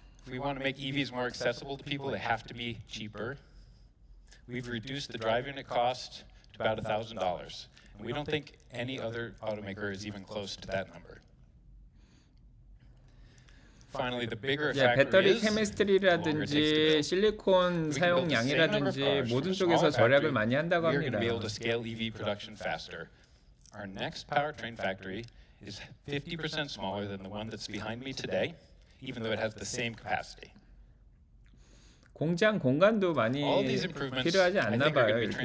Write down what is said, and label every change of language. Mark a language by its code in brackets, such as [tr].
[en] We want to make EVs more accessible to people. They have to be cheaper. We've reduced the drive unit cost to about $1,000. We don't think any other automaker is even close to that number. Finally, the bigger factor is [ko] 배터리 케미스트리라든지 실리콘 사용량이라든지 모든 쪽에서 절약을 많이 한다고 합니다. [en] We're going to be able to scale EV production faster. Our next powertrain factory is 50% smaller than the one that's behind me today, even though it has the same capacity. [ko] 공장 공간도 많이 필요하지 않나 봐요.